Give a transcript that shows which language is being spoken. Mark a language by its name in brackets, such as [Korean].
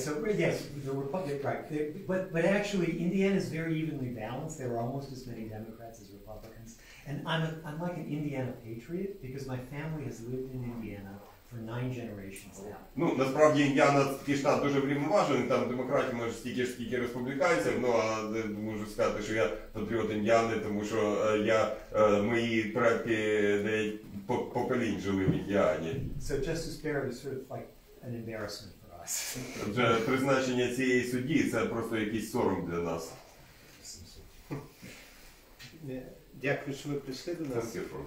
[English] So yes, the Republican, right. But actually, Indiana's very evenly balanced. There are almost as many Democrats as Republicans. And I'm like an Indiana patriot because my family has lived in Indiana for 9 generations now. [Ukrainian] Ну, насправді Індіана такий штат дуже врівноважений, там демократів може стільки республіканців, ну, а можу сказати, що я патріот Індіани, тому що мої предки поколінь жили в Індіані. So Justice Barrett is sort of like an embarrassment for us. Отже, призначення цієї судді – це просто якийсь сором для нас. Дякую, що ви прийшли до нас.